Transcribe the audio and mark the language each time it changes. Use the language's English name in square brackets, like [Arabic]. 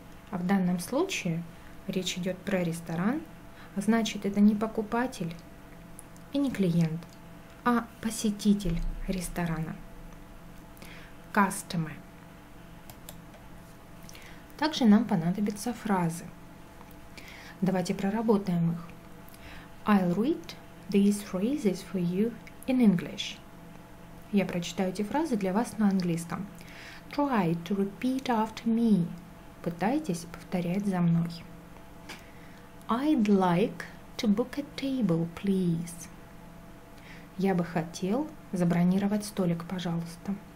[Russian] А в данном случае речь идет про ресторан, значит, это не покупатель и не клиент, а посетитель ресторана. [English] Customer. [Russian] Также нам понадобятся фразы. Давайте проработаем их. [English] I'll read these phrases for you in English. [Russian] Я прочитаю эти фразы для вас на английском. [English] Try to repeat after me. [Russian] Пытайтесь повторять за мной. [English] I'd like to book a table, please. [Russian] Я бы хотел забронировать столик, пожалуйста.